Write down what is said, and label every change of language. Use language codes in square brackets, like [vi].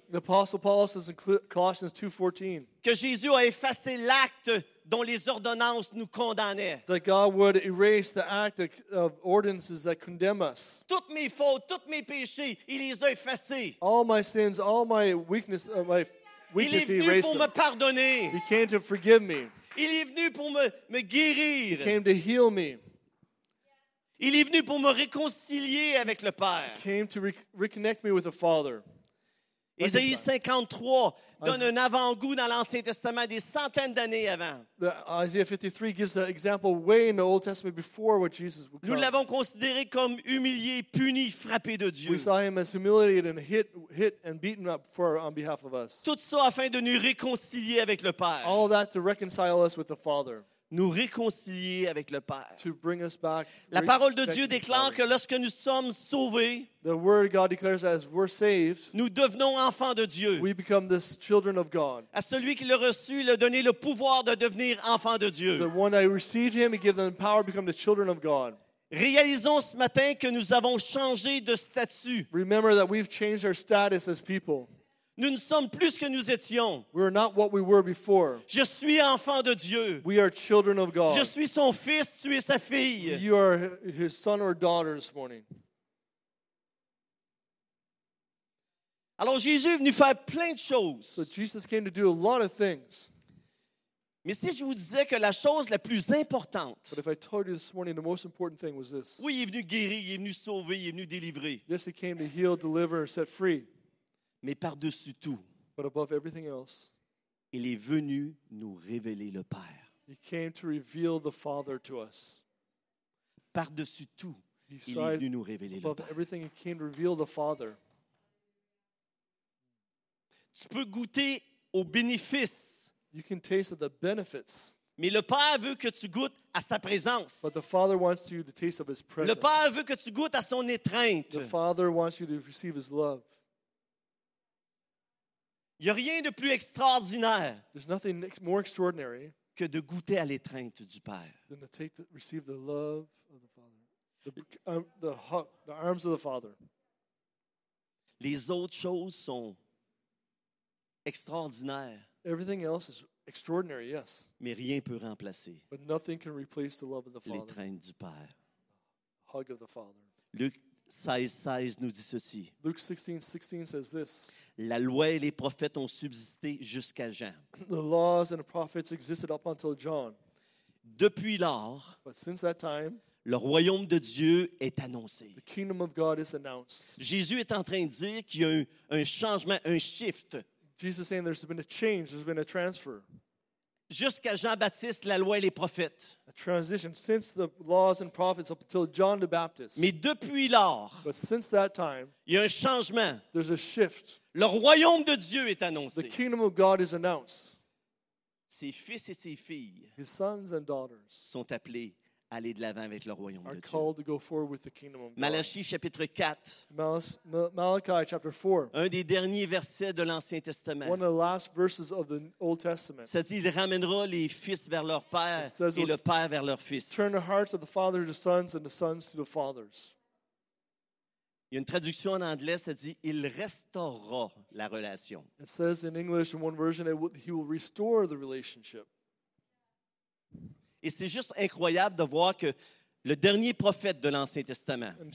[en] the apostle Paul says in Colossians 2:14, [fr] que Jésus a effacé l'acte dont les ordonnances nous condamnaient. [en] That God would erase the act of ordinances that condemn us. [fr] Toutes mes fautes, toutes mes péchés, il les a effacés. [en] All my sins, all my weakness, [fr] il est venu pour me pardonner. [en] He came to forgive me. [fr] Il est venu pour me guérir. [en] He came to heal me. [fr] Il est venu pour me réconcilier avec le Père. [en] Came to reconnect me with the Father. [fr] Ésaïe 53 donne un avant-goût dans l'Ancien Testament des centaines d'années avant. [en] Isaiah 53 gives an example way in the Old Testament before what Jesus would come. [fr] Nous l'avons considéré comme humilié, puni, frappé de Dieu. [en] We saw him as humiliated and hit and beaten up for on behalf of us. [fr] Tout ça afin de nous réconcilier avec le Père. [en] All that to reconcile us with the Father. [fr] Nous réconcilier avec le Père. [en] To bring us back, [fr] la parole de Dieu déclare que lorsque nous sommes sauvés, [en] the word God declares as we're saved, [fr] nous devenons enfants de Dieu. [en] We become the children of God. [fr] À celui qui l'a reçu, il a donné le pouvoir de devenir enfants de Dieu. [en] The one that received him, he gave them the power to become the children of God. [fr] Réalisons ce matin que nous avons changé de statut. [en] Remember that we've changed our status as people. [fr] Nous ne sommes plus ce que nous étions. [en] We are not what we were before. [fr] Je suis enfant de Dieu. [en] We are children of God. [fr] Je suis son fils, tu es sa fille. [en] You are his son or daughter this morning. [fr] Alors Jésus est venu faire plein de choses. [en] So Jesus came to do a lot of things. [fr] Mais si je vous disais que la chose la plus importante. [en] But if I told you this morning the most important thing was this. [fr] Oui, il est venu guérir, il est venu sauver, il est venu délivrer. [en] Yes, he came to heal, deliver, set free. [fr] Mais par-dessus tout, [en] but above everything else, [fr] Il est venu nous révéler le Père. [en] He came to reveal the Father to us. [fr] Par-dessus tout, il est venu nous révéler le Père. [en] Above everything, he came to reveal the Father. [fr] Tu peux goûter aux bénéfices. [en] You can taste of the benefits. [fr] Mais le Père veut que tu goûtes à sa présence. [en] But the Father wants you to taste of his presence. [fr] Le Père veut que tu goûtes à son étreinte. [en] The Father wants you to receive his love. [fr] Il n'y a rien de plus extraordinaire. [en] There's nothing more extraordinary [fr] que de goûter à l'étreinte du Père. [en] Than to take, receive the love of the Father. The arms of the Father. [fr] Les autres choses sont extraordinaires. [en] Everything else is extraordinary, yes. [fr] Mais rien peut remplacer. [en] But nothing can replace the love of the Father. [fr] L'étreinte du Père. [en] Hug of the Father. [fr] Luc 16:16 nous dit ceci. [en] Luke 16:16 says this. [fr] La loi et les prophètes ont subsisté jusqu'à Jean. [en] The laws and the prophets existed up until John. [fr] Depuis lors, [en] but since that time, [fr] le royaume de Dieu est annoncé. [en] The kingdom of God is announced. [fr] Jésus est en train de dire qu'il y a un changement, un shift. [en] Jesus is saying there's been a change, there's been a transfer. [fr] Jusqu'à Jean-Baptiste, la loi et les prophètes. [en] A transition since the laws and prophets up until John the Baptist. [fr] Mais depuis lors, [en] but since that time, [fr] il y a un changement. [en] There's a shift. [fr] Le royaume de Dieu est annoncé. [en] The kingdom of God is announced. [fr] Ses fils et ses filles, [en] his sons and daughters, [fr] sont appelés à aller de l'avant avec le royaume de Dieu. [en] Are called to go forward with the kingdom of God. [fr] Malachie chapitre 4. [en] Malachi chapter 4. [fr] Un des derniers versets de l'Ancien Testament. [en] One of the last verses of the Old Testament. [fr] Ça dit, il ramènera les fils vers leur père et le père vers leur fils. [en] Turn the hearts of the father to the sons and the sons to the fathers. [fr] Il y a une traduction en anglais, ça dit, il restaurera la relation. [en] It says in English in one version that he will restore the relationship. [fr] Et c'est juste incroyable de voir que le dernier prophète de l'Ancien Testament.